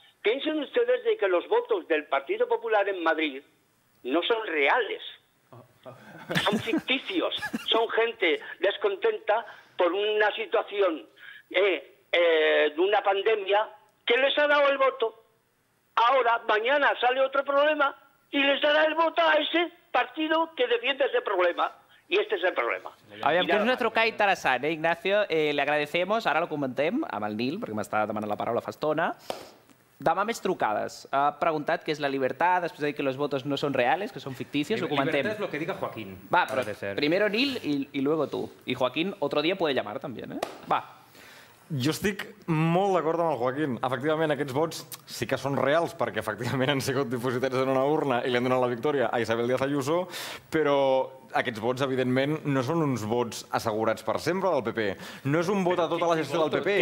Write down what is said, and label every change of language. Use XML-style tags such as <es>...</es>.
<es>Piensen ustedes de que los votos del Partido Popular en Madrid no son reales, son ficticios, son gente descontenta por una situación de una pandemia que les ha dado el voto. Ahora, mañana sale otro problema y les dará el voto a ese partido que defiende ese problema. Y este es el problema.</es> <ca>Aviam, que és una trucada interessant, Ignacio.</ca> <es>Le agradecemos,</es> <ca>ara lo comentem amb el Nil, perquè m'està demanant la paraula fa estona. Demà més trucades. Ha preguntat què és la libertad, després ha dit que</ca> <es>los votos no son reales, que son ficticios,</es> <ca>ho comentem.</ca> <es>Libertad es lo que diga Joaquín. Va, però primero Nil y luego tú. Y Joaquín otro día puede llamar también, Va.</es> <ca>Jo estic molt d'acord amb el Joaquín. Efectivament, aquests vots sí que són reals, perquè efectivament han sigut dipositats en una urna i li han donat la victòria a Isabel Díaz Ayuso, però aquests vots, evidentment, no són uns vots assegurats per sempre del PP. No és un vot a tota la gestió del PP.</ca>